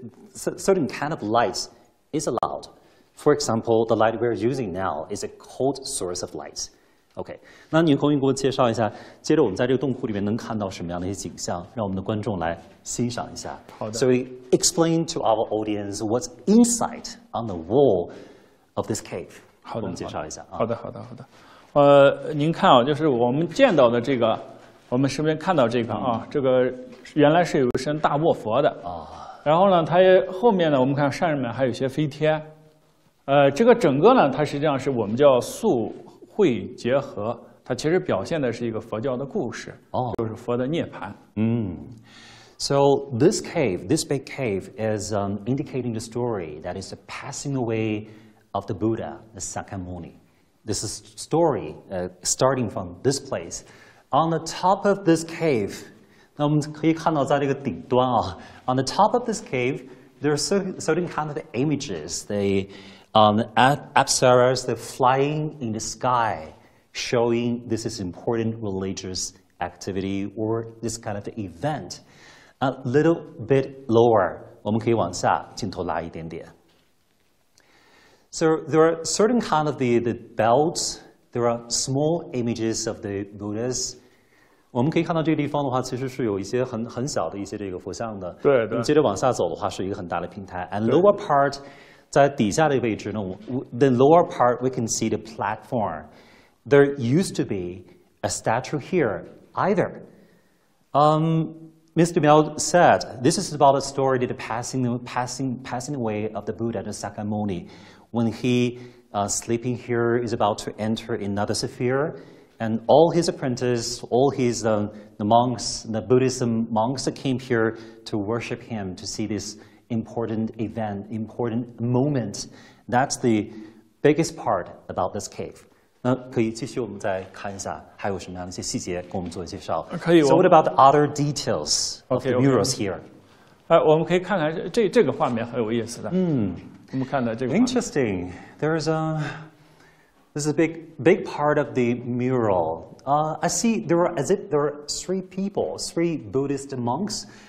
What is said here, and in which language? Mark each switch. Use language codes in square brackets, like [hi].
[en] Certain kind of light is allowed. For example, the light we're using now is a cold source of light. Okay. [zh] 那您可以给我介绍一下，接着我们在这个洞窟里面能看到什么样的一些景象，让我们的观众来欣赏一下。好的。 [en] So we explain to our audience what's inside on the wall of this cave. [zh] 好的。我们介绍一下。好的，好的，好的。您看啊，就是我们见到的这个，我们身边看到这个啊，这个原来是有一身大卧佛的啊。然后呢，它也后面呢，我们看上面还有些飞天。这个整个呢，它实际上是我们叫素慧结合，它其实表现的是一个佛教的故事，就是佛的涅槃。嗯。 [en] So this cave, this big cave, is indicating the story that is the passing away of the Buddha, the Sakyamuni. This is a story starting from this place. On the top of this cave, [zh] 那我们可以看到在这个顶端啊 [en] on the top of this cave, there are certain kind of the images, the apsaras, the flying in the sky, showing this is important religious activity or this kind of event. A little bit lower, [zh] 我们可以往下镜头拉一点点。 [en] So there are certain kind of the belts. There are small images of the Buddhas. [zh] 我们可以看到这个地方的话，其实是有一些很小的一些这个佛像的。对对。接着往下走的话，是一个很大的平台。 [en] And lower part, [zh] 在底下的位置呢 [en] ，the lower part we can see the platform. There used to be a statue here, either. Mr. Miao said this is about a story that passing away of the Buddha, the Sakyamuni. When he sleeping here is about to enter another sphere, and all his apprentices, all his the monks, the Buddhism monks came here to worship him to see this important event, important moment. That's the biggest part about this cave. [zh] 那可以继续我们再看一下还有什么样的一些细节给我们做一介绍。可以。 [en] So what about the other details of the murals here? [zh] 我们可以看看这个画面很有意思的。我们看到这个。 [en] Interesting. This is a big part of the mural. I see there are three people, three Buddhist monks.